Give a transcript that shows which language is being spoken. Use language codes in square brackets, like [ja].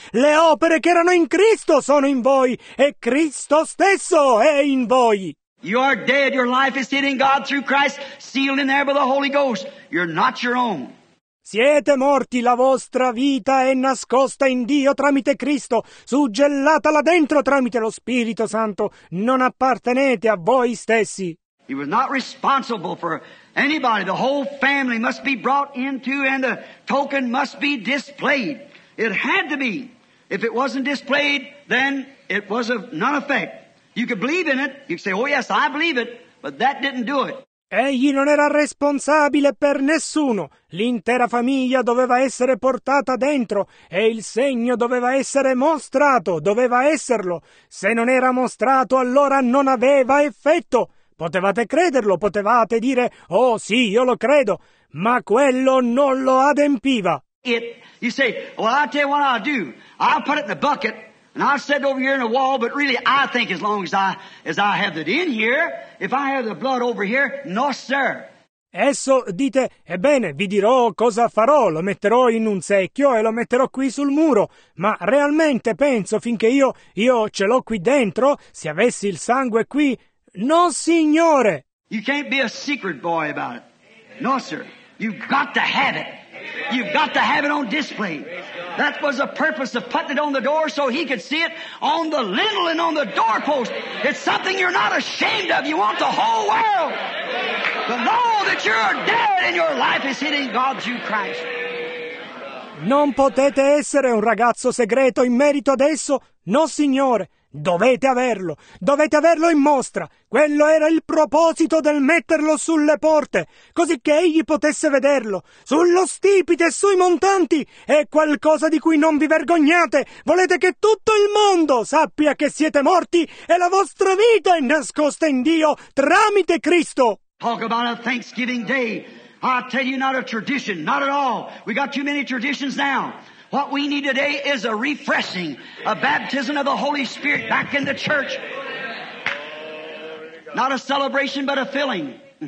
[it] Le opere che erano in Cristo sono in voi. E Cristo stesso è in voi. [en] You are dead. Your life is hidden in God through Christ, sealed in there by the Holy Ghost. You're not your own. [it] Siete morti, la vostra vita è nascosta in Dio tramite Cristo, suggellata là dentro tramite lo Spirito Santo. Non appartenete a voi stessi. [en] He was not responsible for anybody. The whole family must be brought into and the token must be displayed. It had to be. If it wasn't displayed, then it was of none effect. You could believe in it. You could say, oh yes, I believe it, but that didn't do it. [it] Egli non era responsabile per nessuno. L'intera famiglia doveva essere portata dentro e il segno doveva essere mostrato, doveva esserlo. Se non era mostrato, allora non aveva effetto. Potevate crederlo, potevate dire, oh sì, io lo credo, ma quello non lo adempiva. [en] It, you say, well, I'll tell you what I'll do. I'll put it in the bucket and I'll set it over here in the wall, but really I think as long as I have it in here, if I have the blood over here, no sir. [it] Esso dite, ebbene, vi dirò cosa farò, lo metterò in un secchio e lo metterò qui sul muro, ma realmente penso finché io ce l'ho qui dentro, se avessi il sangue qui, no signore. [en] You can't be a secret boy about it. No sir, you've got to have it. You've got to have it on display. That was the purpose of putting it on the door so he could see it on the lintel and on the doorpost. It's something you're not ashamed of. You want the whole world to know that you're dead and your life is hidden in God through Christ. [it] Non potete essere un ragazzo segreto in merito adesso? No, signore. Dovete averlo. Dovete averlo in mostra. Quello era il proposito del metterlo sulle porte, così che egli potesse vederlo. Sullo stipite e sui montanti è qualcosa di cui non vi vergognate. Volete che tutto il mondo sappia che siete morti e la vostra vita è nascosta in Dio tramite Cristo. [en] Talk about a Thanksgiving Day. I tell you, not a tradition, not at all. We got too many traditions now. What we need today is a refreshing, a baptism of the Holy Spirit back in the church. Not a celebration, but a filling.